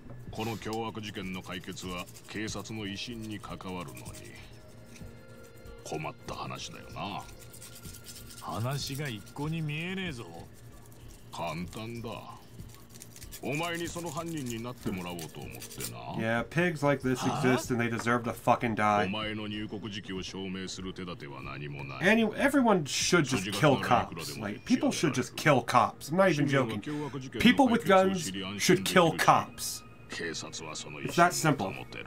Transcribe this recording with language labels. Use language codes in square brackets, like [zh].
[ja] この凶悪事件の解決は警察の威信に関わるのに。困った話だよな。話が一向に見えねえぞ。簡単だ。お前にその犯人になってもらおうと思ってな。 [en] Yeah, pigs like this exist and they deserve to fucking die. [ja] お前の入国時期を証明する手立ては何もない。 [en] Anyway, everyone should just kill cops. Like, people should just kill cops. I'm not even joking. People with guns should kill cops. [ja] 警察はその意思を保ってる。